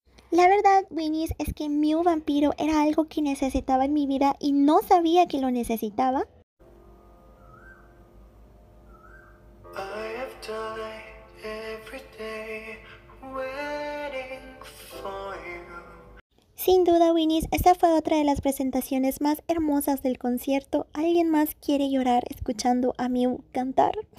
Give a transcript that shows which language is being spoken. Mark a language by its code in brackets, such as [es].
[es] La verdad, Winnie's, es que Mew Vampiro era algo que necesitaba en mi vida y no sabía que lo necesitaba. [en] I have died every day waiting for you. [es] Sin duda, Winnie's, esta fue otra de las presentaciones más hermosas del concierto. ¿Alguien más quiere llorar escuchando a Mew cantar?